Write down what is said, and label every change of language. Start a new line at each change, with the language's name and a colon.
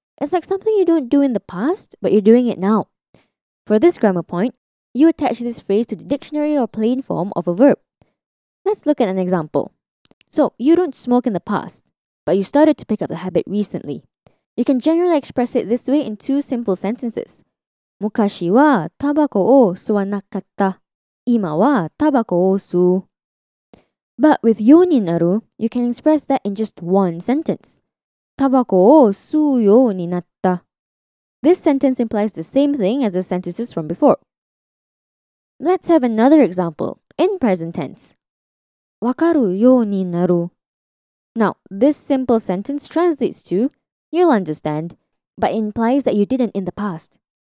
English: It's like something you don't do in the past, but you're doing it now. For this grammar point, you attach this phrase to the dictionary or plain form of a verb. Let's look at an example. So you don't smoke in the past, but you started to pick up the habit recently. You can generally express it this way in two simple sentences.
Japanese: 昔はタバコを吸わなかった。今はタバコを吸う。
English: But with yo ni naru, you can express that in just one sentence.
Japanese: タバコを吸うようになった。
English: This sentence implies the same thing as the sentences from before. Let's have another example, in present tense.
Japanese: わかるようになる。
English: Now, this simple sentence translates to you'll understand, but it implies that you didn't in the past.